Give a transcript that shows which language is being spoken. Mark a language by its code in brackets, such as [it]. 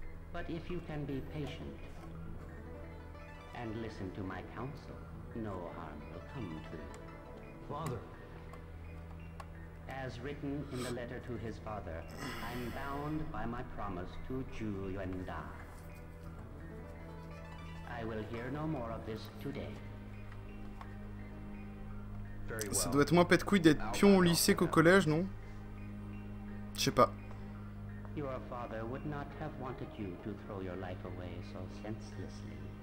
[en] But if you can be patient and listen to my counsel, no harm will come to you. Father. As written in the letter to his father, I'm bound by my promise to Zhu Yuanda. I will hear no more of this today. [fr] Ça doit être moins pète-couille d'être pion au lycée qu'au collège, non? Je sais pas. [en] Your father would not have wanted you to throw your life away so senselessly.